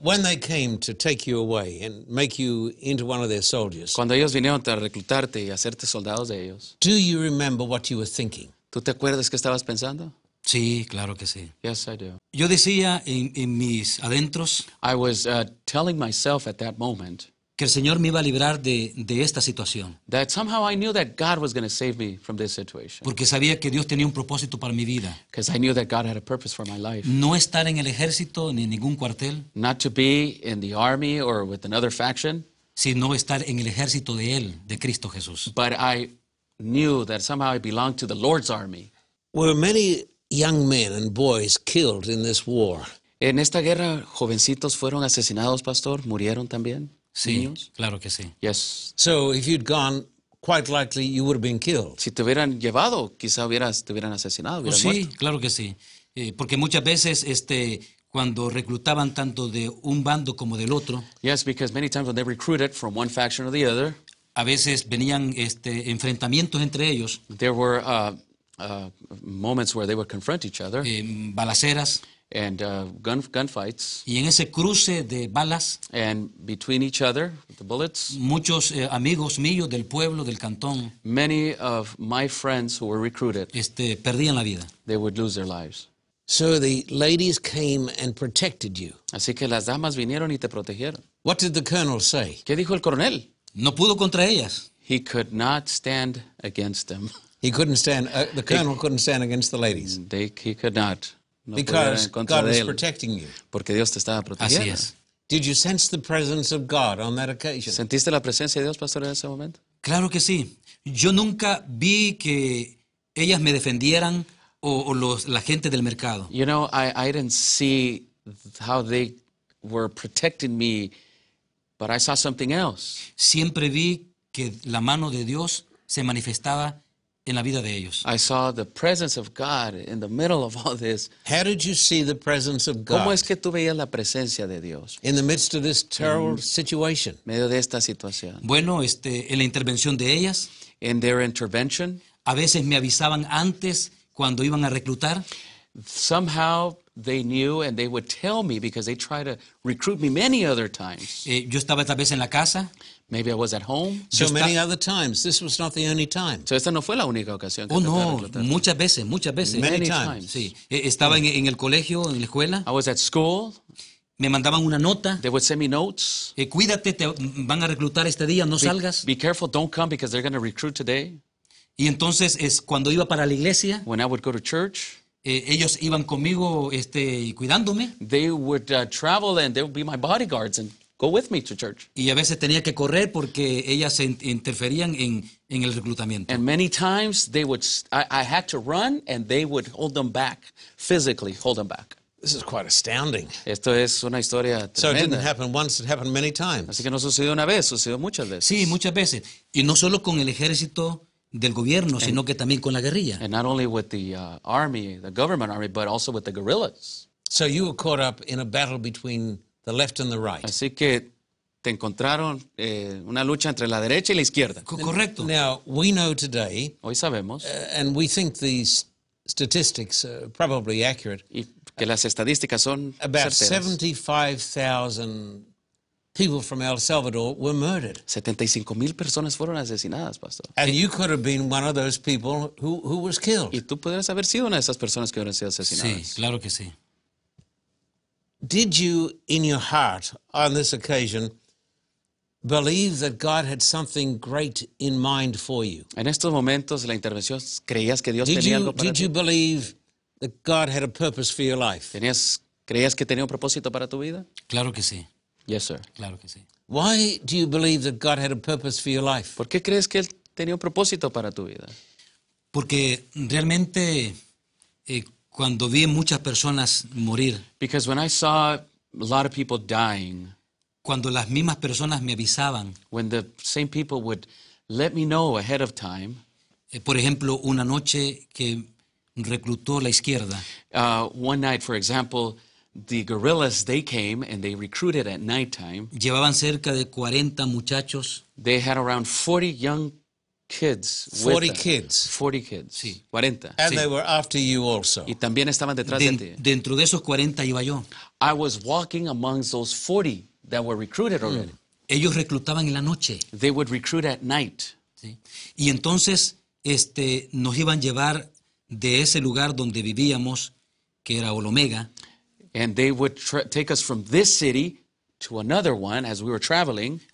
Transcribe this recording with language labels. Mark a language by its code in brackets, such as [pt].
[en] When they came to take you away and make you into one of their soldiers. [es] Cuando ellos vinieron a reclutarte y hacerte soldados de ellos. [en] Do you remember what you were thinking? [es] ¿Tú te acuerdas qué estabas pensando? Sí, claro que sí. [en] Yes, I do. [es] Yo decía en mis adentros. [en] I was telling myself at that moment. [es] Que el Señor me iba a librar de esta situación. [en] That somehow I knew that God was going to save me from this situation. [es] Porque sabía que Dios tenía un propósito para mi vida. [en] Because I knew that God had a purpose for my life. [es] No estar en el ejército ni en ningún cuartel. [en] Not to be in the army or with another faction. [es] Sino estar en el ejército de Él, de Cristo Jesús. [en] But I knew that somehow I belonged to the Lord's army. Were many young men and boys killed in this war? [es] En esta guerra, jovencitos fueron asesinados, pastor, murieron también. Sí, claro que sí. [en] Yes. So if you'd gone, quite likely you would have been killed. [es] Si te hubieran llevado, quizá hubieras, te hubieran asesinado, hubieras sí, muerto. Claro que sí. Porque muchas veces, cuando reclutaban tanto de un bando como del otro. [en] Yes, because many times when they recruited from one faction or the other. [es] A veces venían enfrentamientos entre ellos. [en] There were moments where they would confront each other. [es] Balaceras. [en] And gunfights. [es] Y en ese cruce de balas. [en] And between each other, the bullets. [es] Muchos amigos míos del pueblo, del cantón. [en] Many of my friends who were recruited. [es] Perdían la vida. [en] They would lose their lives. So the ladies came and protected you. [es] Así que las damas vinieron y te protegieron. [en] What did the colonel say? [es] ¿Qué dijo el coronel? No pudo contra ellas. [en] He could not stand against them. He couldn't stand, the colonel couldn't stand against the ladies. He could not. No, because God was protecting you. [es] Porque Dios te estaba protegiendo. Así es. [en] Did you sense the presence of God on that occasion? [es] ¿Sentiste la presencia de Dios, pastor, en ese momento? Claro que sí. Yo nunca vi que ellas me defendieran o los la gente del mercado. [en] You know, I didn't see how they were protecting me, but I saw something else. [es] Siempre vi que la mano de Dios se manifestaba en la vida de ellos. [en] I saw the presence of God in the middle of all this. How did you see the presence of God? [es] ¿Cómo es que tú veías la presencia de Dios? [en] In the midst of this terrible situation. [es] Medio de esta situación. Bueno, en la intervención de ellas. [en] In their intervention. [es] A veces me avisaban antes cuando iban a reclutar. [en] Somehow they knew and they would tell me because they tried to recruit me many other times. [es] Yo estaba tal vez en la casa. [en] Maybe I was at home. So many other times. This was not the only time. [es] So esta no fue la única ocasión. [en] Oh, no. [es] Muchas veces. [en] Many times. [es] Sí. Estaba en el colegio, en la escuela. [en] I was at school. [es] Me mandaban una nota. [en] They would send me notes. [es] Cuídate, te van a reclutar este día, no salgas. [en] Be careful, don't come because they're going to recruit today. [es] Y entonces es cuando iba para la iglesia. [en] When I would go to church. [es] Ellos iban conmigo, cuidándome. [en] They would travel and they would be my bodyguards and go with me to church. [es] Y a veces tenía que correr porque ellas interferían en el reclutamiento. [en] And many times they would, I had to run and they would hold them back, physically hold them back. This is quite astounding. [es] Esto es una historia tremenda. [en] So it didn't happen once, it happened many times. [es] Así que no sucedió una vez, sucedió muchas veces. Sí, muchas veces. Y no solo con el ejército del gobierno, sino que también con la guerrilla. [en] And not only with the army, the government army, but also with the guerrillas. So you were caught up in a battle between the left and the right. [es] Así que te encontraron una lucha entre la derecha y la izquierda. Correcto. [en] Now, we know today, [es] hoy sabemos, [en] and we think these statistics are probably accurate, [es] y que las estadísticas son certeras. [en] About 75,000 people from El Salvador were murdered. [es] 75,000 personas fueron asesinadas, pastor. [en] And you could have been one of those people who was killed. [es] Y tú podrías haber sido una de esas personas que hubieran sido asesinadas. Sí, claro que sí. [en] Did you, in your heart, on this occasion, believe that God had something great in mind for you? [es] En estos momentos, la intervención, creías que Dios tenía algo para ti. [en] Did you believe that God had a purpose for your life? [es] ¿Creías que tenía un propósito para tu vida? Claro que sí. [en] Yes, sir. [es] Claro que sí. [en] Why do you believe that God had a purpose for your life? [es] ¿Por qué crees que Él tenía un propósito para tu vida? Porque realmente, Cuando vi muchas personas morir. [en] Because when I saw a lot of people dying. [es] Cuando las mismas personas me avisaban. [en] When the same people would let me know ahead of time. [es] Por ejemplo, una noche que reclutó la izquierda. [en] One night, for example, the guerrillas, they came and they recruited at night time. [es] Llevaban cerca de 40 muchachos. [en] They had around 40 young kids. 40 kids. 40 kids. [es] Sí. 40. [en] And [es] sí. [en] They were after you also. [es] Y también estaban detrás de ti. Dentro de esos 40 iba yo. [en] I was walking amongst those 40 that were recruited already. [es] Ellos reclutaban en la noche. [en] They would recruit at night. [es] Sí. Y entonces nos iban a llevar de ese lugar donde vivíamos, que era Olomega. [en] And they would take us from this city to another one as we were traveling.